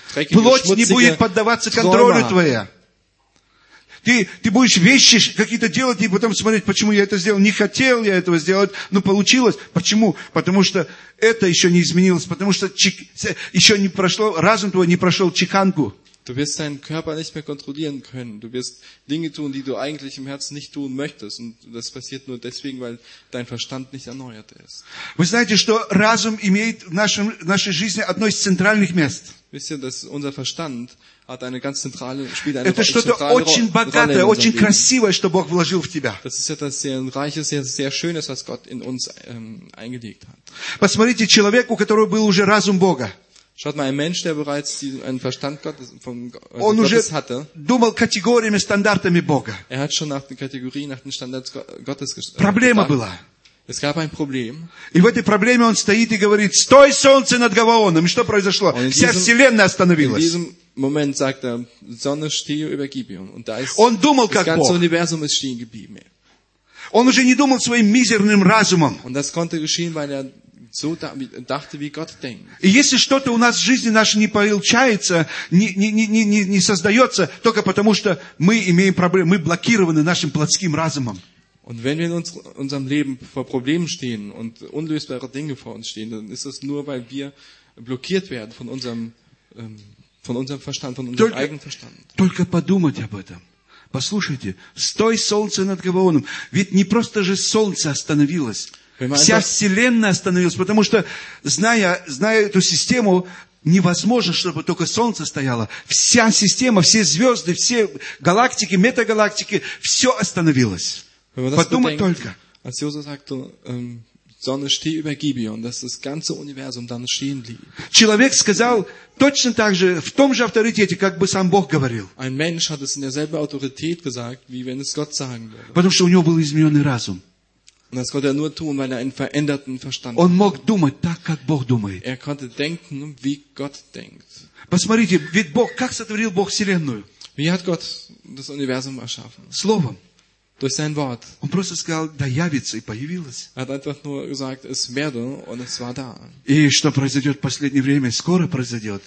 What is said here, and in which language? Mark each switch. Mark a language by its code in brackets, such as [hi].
[ru] плоть не будет поддаваться контролю твоя. Ты будешь вещи какие-то делать и потом смотреть, почему я это сделал. Не хотел я этого сделать, но получилось. Почему? Потому что это еще не изменилось. Потому что еще не прошло, разум твой не прошел чеканку. [de] Du wirst deinen Körper nicht mehr kontrollieren können. Du wirst Dinge tun, die du eigentlich im Herzen nicht tun möchtest. Und das passiert nur deswegen, weil dein Verstand nicht erneuert ist. [ru] Вы знаете, что разум имеет в нашей жизни одно из центральных мест. [de] Wisst ihr, dass unser Verstand hat eine ganz zentrale, spielt eine zentrale Rolle. [ru] Это что-то очень богатое, очень красивое, что Бог вложил в тебя. [de] Das ist etwas sehr Reiches, sehr, sehr Schönes, was Gott in uns eingelegt hat. [ru] Посмотрите, человек, у которого был уже разум Бога. [de] Schaut mal, ein Mensch, der bereits einen Verstand Gottes, von Gottes hatte, [ru] думал категориями, стандартами Бога. [de] Er hat schon nach den Kategorien, nach den Standards Gottes gedacht. [ru] Проблема была. [de] Es gab ein Problem. [ru] И в этой проблеме он стоит и говорит, стой, солнце над Гавоном. И что произошло? Вся вселенная остановилась. [de] In diesem Moment sagt er, Sonne, stehe über Gibeon. Und da ist, [ru] он думал, как [de] Бог. Das ganze [ru] Бог. [de] Universum ist stehen geblieben. [ru] Он уже не думал своим мизерным разумом. [de] Und das konnte geschehen, weil er so dachte, wie Gott denkt. [ru] И если что-то у нас в жизни нашей не получается, не создается, только потому что мы имеем проблемы, мы блокированы нашим плотским разумом. [de] Und wenn wir in unserem Leben vor Problemen stehen und unlösbare Dinge vor uns stehen, dann ist das nur, weil wir blockiert werden von unserem Verstand, von unserem eigenen Verstand. [ru] Только подумать об этом. Послушайте, стой, солнце над Гавоном. Ведь не просто же солнце остановилось. Вся вселенная остановилась, потому что, зная эту систему, невозможно, чтобы только солнце стояло. Вся система, все звезды, все галактики, метагалактики, все остановилось. Подумать только. [de] Als Jesus sagte, Sonne, steh über Gibeon, dass das ganze Universum dann stehen blieb. [ru] Человек сказал точно так же, в том же авторитете, как бы сам Бог говорил. [de] Ein Mensch hat es in derselben Autorität gesagt, wie wenn es Gott sagen würde. [ru] Потому что у него был измененный разум. [de] Und das konnte er nur tun, weil er einen veränderten Verstand hatte. [ru] Он мог думать так, как Бог думает. [de] Er konnte denken, wie Gott denkt. [ru] Посмотрите, ведь Бог, как сотворил Бог вселенную? [de] Wie hat Gott das Universum erschaffen? [ru] Словом. [de] Durch sein Wort. [ru] Он просто сказал, да явится, и появилось. [de] Er hat einfach nur gesagt, es werde, und es war da. [ru] И что произойдет в последнее время, скоро произойдет.